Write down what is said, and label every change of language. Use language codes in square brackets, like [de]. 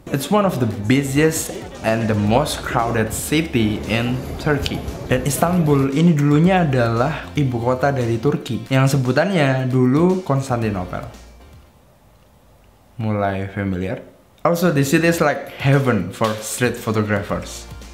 [en] It's one of the busiest and the most crowded city in Turkey. [id] Dan Istanbul ini dulunya adalah ibu kota dari Turki, yang sebutannya dulu Konstantinopel. Mulai familiar? [en] Also, this city is like heaven for street photographers.